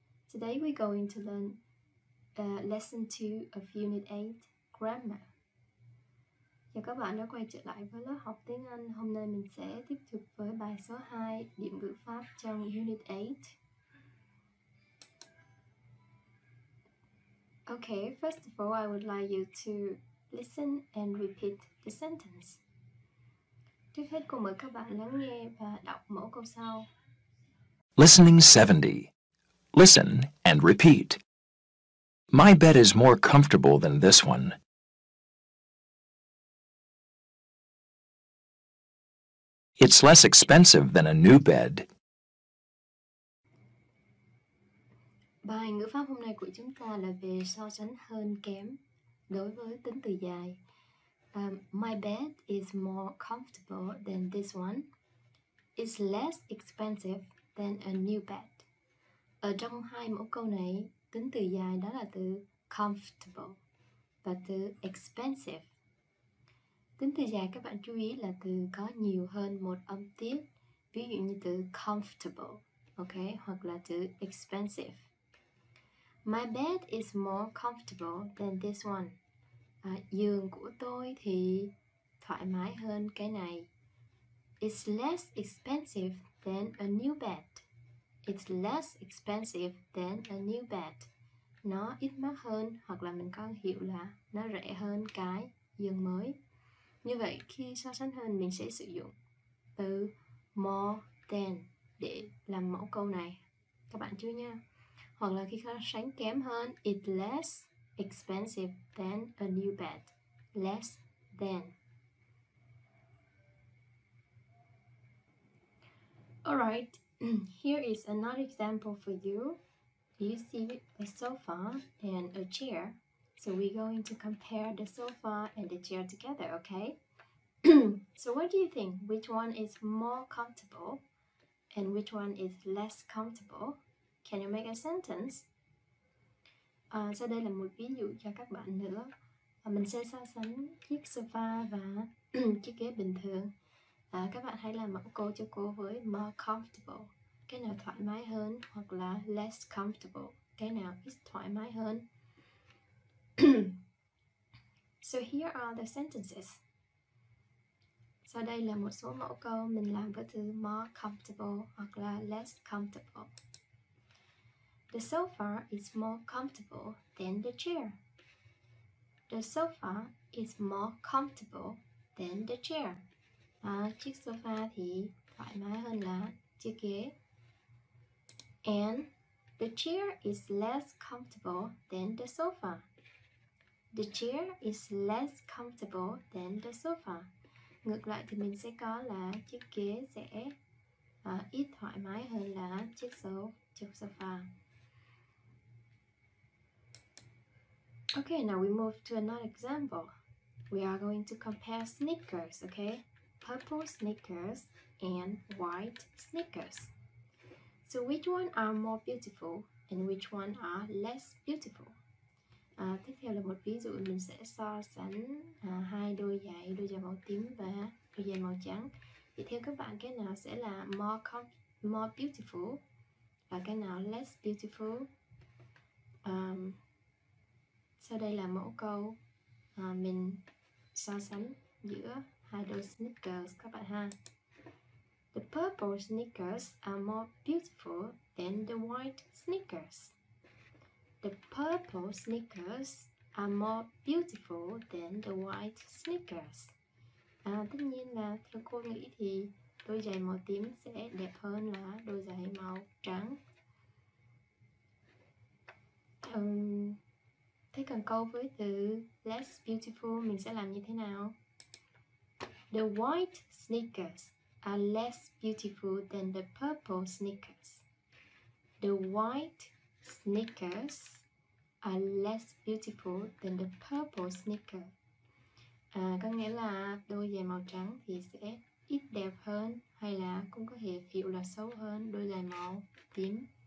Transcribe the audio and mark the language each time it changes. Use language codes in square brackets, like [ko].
[en] Today we're going to learn lesson 2 of unit 8, grammar. [vi] Chào các bạn đã quay trở lại với lớp học tiếng Anh. Hôm nay mình sẽ tiếp tục với bài số 2, điểm ngữ pháp trong unit 8. [en] Okay, first of all, I would like you to listen and repeat the sentence. [vi] Trước hết, cô mời các bạn lắng nghe và đọc mẫu câu sau. [en] Listening 70. Listen and repeat. My bed is more comfortable than this one. It's less expensive than a new bed. [vi] Bài ngữ pháp hôm nay của chúng ta là về so sánh hơn kém đối với tính từ dài. [en] My bed is more comfortable than this one. It's less expensive than a new bed. [vi] Ở trong hai mẫu câu này, tính từ dài đó là từ comfortable và từ expensive. Tính từ dài các bạn chú ý là từ có nhiều hơn một âm tiết, ví dụ như từ comfortable, okay, hoặc là từ expensive. [en] My bed is more comfortable than this one. [vi] Giường của tôi thì thoải mái hơn cái này. [en] It's less expensive than a new bed. It's less expensive than a new bed. [vi] Nó ít mắc hơn, hoặc là mình có hiểu là nó rẻ hơn cái giường mới. Như vậy, khi so sánh hơn, mình sẽ sử dụng từ more than để làm mẫu câu này. Các bạn chú ý nha. Hoặc là khi so sánh kém hơn, [en] it's less expensive than a new bed. Less than. Alright, here is another example for you. You see a sofa and a chair. So we're going to compare the sofa and the chair together, okay? So what do you think? Which one is more comfortable and which one is less comfortable? Can you make a sentence? [vi] Sau đây là một ví dụ cho các bạn nữa. Mình sẽ so sánh chiếc sofa và chiếc ghế bình thường. Các bạn hãy làm mẫu câu cho cô với more comfortable. Cái nào thoải mái hơn hoặc là less comfortable. Cái nào ít thoải mái hơn. [en] So here are the sentences. [vi] Sau đây là một số mẫu câu mình làm với từ more comfortable hoặc là less comfortable. [en] The sofa is more comfortable than the chair. The sofa is more comfortable than the chair. [vi] Chiếc sofa thì thoải mái hơn là chiếc ghế. [en] And the chair is less comfortable than the sofa. The chair is less comfortable than the sofa. [vi] Ngược lại thì mình sẽ có là chiếc ghế sẽ ít thoải mái hơn là chiếc sofa. [en] Okay, now we move to another example. We are going to compare sneakers, okay? Purple sneakers and white sneakers. So which one are more beautiful and which one are less beautiful? [vi] Tiếp theo là một ví dụ mình sẽ so sánh hai đôi giày màu tím và đôi giày màu trắng. Thì theo các bạn cái nào sẽ là more beautiful và cái nào less beautiful? Sau đây là mẫu câu mình so sánh giữa hai đôi sneakers các bạn ha. [en] The purple sneakers are more beautiful than the white sneakers. The purple sneakers are more beautiful than the white sneakers. [vi] Tất nhiên là theo cô nghĩ thì đôi giày màu tím sẽ đẹp hơn là đôi giày màu trắng. Thế còn câu với từ less beautiful mình sẽ làm như thế nào? [en] The white sneakers are less beautiful than the purple sneakers. The white sneakers are less beautiful than the purple sneaker. [vi] Có nghĩa là đôi giày màu trắng thì sẽ ít đẹp hơn hay là cũng có thể hiểu là xấu hơn đôi giày màu tím.